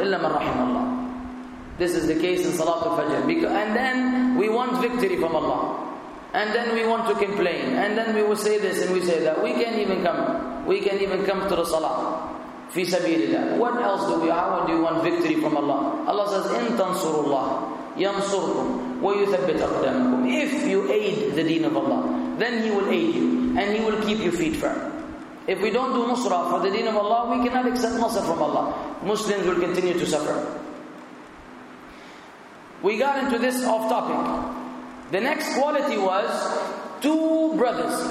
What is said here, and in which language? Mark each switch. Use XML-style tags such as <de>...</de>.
<ar>إِلَّا مَنْ رَحِمَ اللَّهِ.</ar> <en>This is the case in Salatul Fajr. And then we want victory from Allah. And then we want to complain. And then we will say this and we say that. We can't even come to the Salah. Fi sabilillah. What else do we have? How do you want victory from Allah? Allah says,</en> <ar>إِن تَنْصُرُ اللَّهِ يَنْصُرُكُمْ وَيُثَبِّتْ أَقْدَامَكُمْ.</ar> <en>If you aid the deen of Allah, then He will aid you. And He will keep your feet firm. If we don't do nusra for the deen of Allah, we cannot accept nusra from Allah. Muslims will continue to suffer. We got into this off topic. The next quality was two brothers.</en>